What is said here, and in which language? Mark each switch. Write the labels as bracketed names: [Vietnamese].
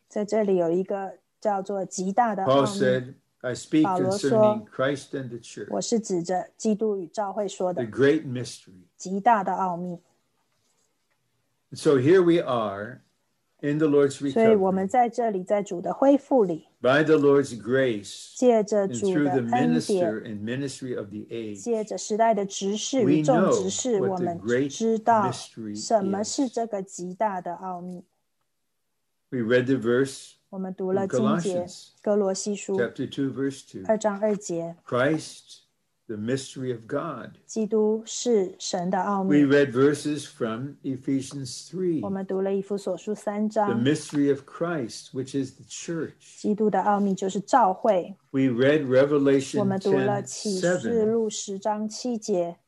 [Chinese] 在这里有一个叫做极大的奥秘。 [English] Paul said, I speak concerning Christ and the church. [Chinese] 我是指着基督与教会说的。 [English] The great mystery. [Chinese] 极大的奥秘。 [English] So here we are In the Lord's recovery. [Chinese] 所以我们在这里, 在主的恢复里, [English] by the Lord's grace, [Chinese] 借着主的恩典, [English] and through the minister and ministry of the age, [Chinese] 借着时代的执事, [English] we know what the great mystery is. We read the verse, [Chinese] 我们读了经节, [English] in Colossians, chapter 2, verse 2. [Chinese] 二章二节, [English] Christ, the mystery of God. [Chinese] 基督是神的奥秘, [English] we read verses from Ephesians 3. [Chinese] 我们读了以弗所书三章, [English] the mystery of Christ, which is the church. [Chinese] 基督的奥秘就是召会, [English] we read Revelation [Chinese] 我们读了启示录十章七节,